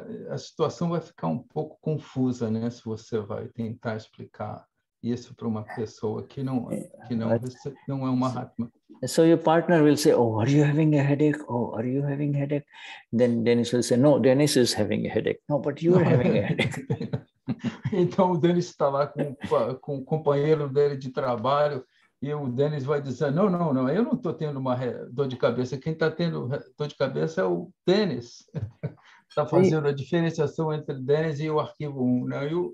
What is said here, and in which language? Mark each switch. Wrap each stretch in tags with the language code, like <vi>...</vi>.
<pt>A situação vai ficar um pouco confusa, né? Se você vai tentar explicar isso para uma pessoa que não é um Mahatma.</pt> <en>So your partner will say, oh, are you having a headache? Oh, are you having a headache? Then Dennis will say, no, Dennis is having a headache. No, but you're having a headache.</en> <pt>Então o Dennis está lá com o companheiro dele de trabalho, e o Dennis vai dizer, não, eu não estou tendo uma dor de cabeça. Quem está tendo dor de cabeça é o Dennis. Está fazendo a diferenciação entre Dennis e o arquivo 1. Né?</pt>